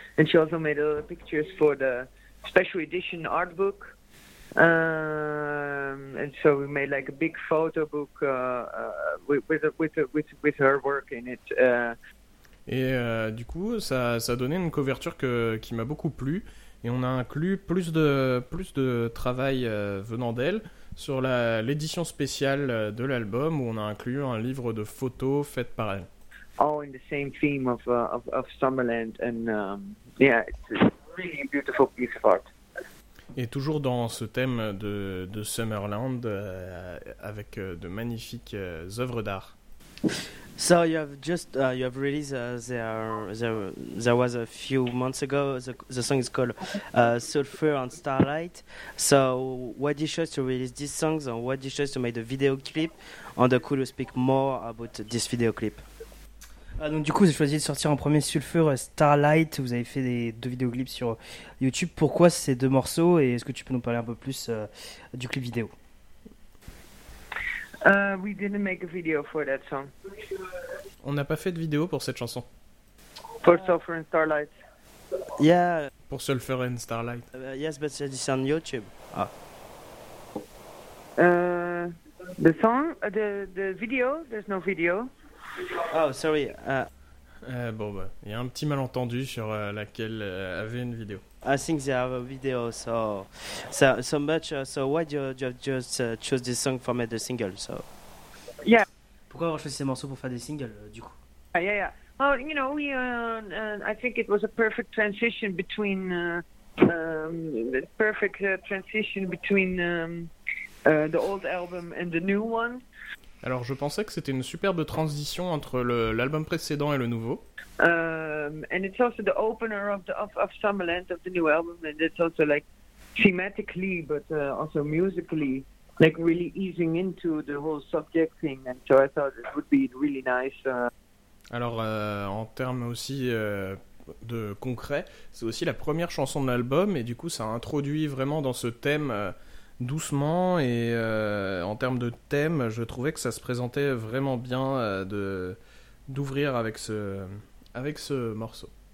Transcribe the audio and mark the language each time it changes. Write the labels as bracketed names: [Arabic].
[English] And she also made other pictures for the special edition art book. And so we made like a big photo book with her work in it. [French] Et du coup, ça a donné une couverture qui m'a beaucoup plu, et on a inclus plus de travail venant d'elle sur l'édition spéciale de l'album, où on a inclus un livre de photos faites par elle. [English] All in the same theme of Summerland, and yeah, it's a really beautiful piece of art. [French] Et toujours dans ce thème de Summerland, avec de magnifiques œuvres d'art. [English] So you have just you have released there was a few months ago. The song is called Sulfur and Starlight. So what did you choose to release these songs, and what did you choose to make the video clip? And could you speak more about this video clip? [French] Donc du coup, j'ai choisi de sortir en premier Sulfur Starlight. Vous avez fait deux vidéoclips sur YouTube. Pourquoi ces deux morceaux, et est-ce que tu peux nous parler un peu plus du clip vidéo? [English] We didn't make a video for that song. [French] On n'a pas fait de vidéo pour cette chanson. [English] For Sulfur and Starlight. Yeah. [French] Pour Sulfur and Starlight. [English] Yes, but it's on YouTube. Ah. The song, the video, there's no video. Oh, sorry. [French] Bon, bah, il y a un petit malentendu sur laquelle avait une vidéo. [English] I think they have a video, so much. So why do you choose this song for make the single? So yeah. [French] Pourquoi avoir choisi ces morceaux pour faire des singles, du coup? [English] Yeah. Well, you know, we. I think it was a perfect transition between the old album and the new one. [French] Alors, je pensais que c'était une superbe transition entre l'album précédent et le nouveau. [English] And it's also the opener of Summerland, of the new album, and it's also like thematically, but also musically, like really easing into the whole subject thing. And so I thought it would be really nice. [French] Alors, en termes aussi de concret, c'est aussi la première chanson de l'album, et du coup, ça introduit vraiment dans ce thème. Doucement, et en termes de thème, je trouvais que ça se présentait vraiment bien d'ouvrir avec ce morceau.